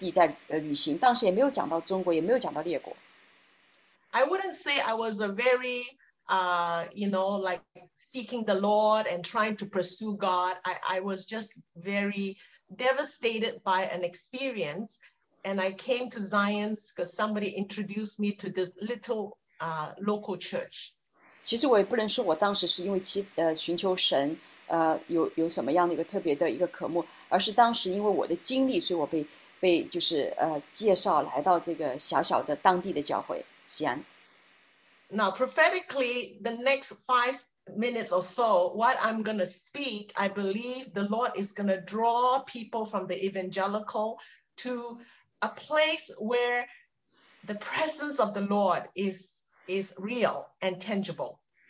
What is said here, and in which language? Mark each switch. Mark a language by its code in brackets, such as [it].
[zh] 你要知道在西安在30多年前呢，那时候没有就是人那么多，也没有我们的牧者好像在全世界各地在旅行，当时也没有讲到中国，也没有讲到列国。 [en] I wouldn't say I was a very, like seeking the Lord and trying to pursue God. I was just very devastated by an experience. And I came to Zion because somebody introduced me to this little local church. [zh] 其实我也不能说我当时是因为寻求神有什么样的一个特别的一个渴慕，而是当时因为我的经历，所以我被就是介绍来到这个小小的当地的教会西安。 [en] Now, prophetically, the next 5 minutes or so, what I'm going to speak, I believe the Lord is going to draw people from the evangelical to a place where the presence of the Lord is real and tangible.